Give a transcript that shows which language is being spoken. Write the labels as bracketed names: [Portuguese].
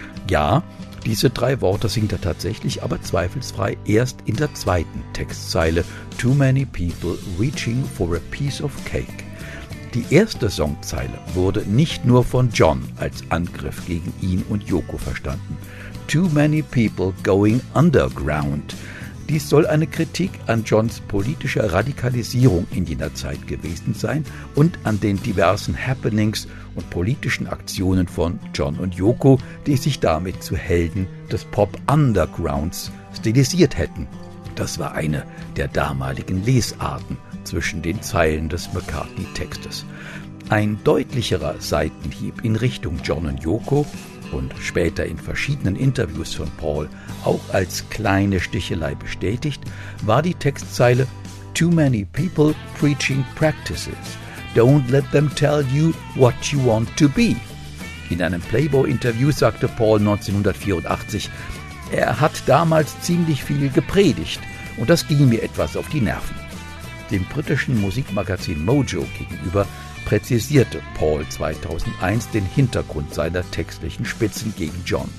[German] Ja, diese 3 Worte singt er tatsächlich, aber zweifelsfrei erst in der 2. Textzeile [English] Too Many People Reaching for a Piece of Cake. [German] Die 1. Songzeile wurde nicht nur von John als Angriff gegen ihn und Yoko verstanden. [English] Too many people going underground. [German] Dies soll eine Kritik an Johns politischer Radikalisierung in jener Zeit gewesen sein und an den diversen Happenings und politischen Aktionen von John und Yoko, die sich damit zu Helden des Pop-Undergrounds stilisiert hätten. Das war eine der damaligen Lesarten zwischen den Zeilen des McCartney-Textes. Ein deutlicherer Seitenhieb in Richtung John und Yoko und später in verschiedenen Interviews von Paul auch als kleine Stichelei bestätigt, war die Textzeile [English] Too many people preaching practices. Don't let them tell you what you want to be. [German] In einem Playboy-Interview sagte Paul 1984, er hat damals ziemlich viel gepredigt und das ging mir etwas auf die Nerven. Dem britischen Musikmagazin Mojo gegenüber präzisierte Paul 2001 den Hintergrund seiner textlichen Spitzen gegen John.